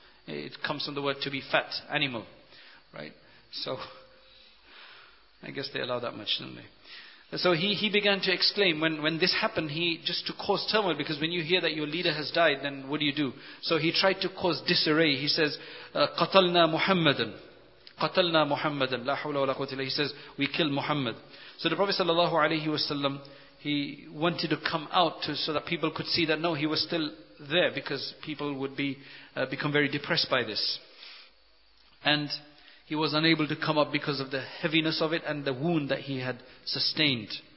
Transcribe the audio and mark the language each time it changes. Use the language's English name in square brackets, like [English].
[English] It comes from the word to be fat, animal. Right? So, I guess they allow that much, don't they? So he began to exclaim, when this happened, he just to cause turmoil, because when you hear that your leader has died, then what do you do? So he tried to cause disarray. He says, [Arabic] قَتَلْنَا مُحَمَّدًا قَتَلْنَا مُحَمَّدًا لَا حَوْلَ وَلَا قُوَّةَ إِلَّا بِاللَّهِ. [English] He says, we kill Muhammad. So the Prophet sallallahu alayhi wasallam, he wanted to come out so that people could see that no, he was still there, because people would become very depressed by this. And he was unable to come up because of the heaviness of it and the wound that he had sustained.